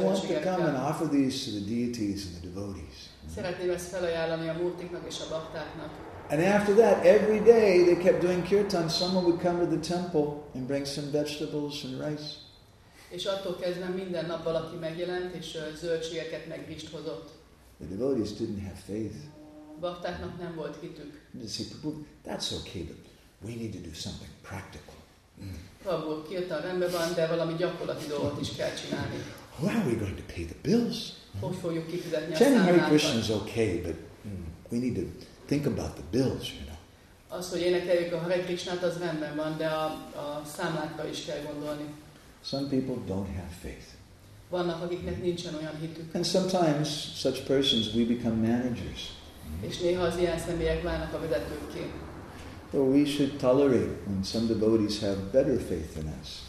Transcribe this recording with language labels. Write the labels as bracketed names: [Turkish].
[English] I want to come and offer these to the deities and the devotees. [Hungarian] Szeretném ezt felajánlani a múrtiknak és a baktáknak. [English] And after that, every day they kept doing kirtan. Someone would come to the temple and bring some vegetables and rice. [Hungarian] És attól kezdve minden nap valaki megjelent és zöldségeket meg rizst hozott. [English] The devotees didn't have faith. [Hungarian] Baktáknak nem volt hitük. [English] They said, that's okay, but we need to do something practical. [Hungarian] Prabhu, kirtan rendben van, de valami gyakorlati dolgot is kell csinálni. [English] How are we going to pay the bills? [Hungarian] Hogy fogjuk kifizetni a számlákat? [English] Chanting Hare Krishna is okay, but we need to think about the bills, you know. [Hungarian] Az, hogy énekeljük a Hare Krishnát, az rendben van, de a számlákra is kell gondolni. [English] Some people don't have faith. [Hungarian] Vannak, akiknek nincsen olyan hitük. [English] And sometimes such persons we become managers. [Hungarian] És néha az ilyen személyek válnak a vezetőkké. [English] So we should tolerate when some devotees have better faith than us.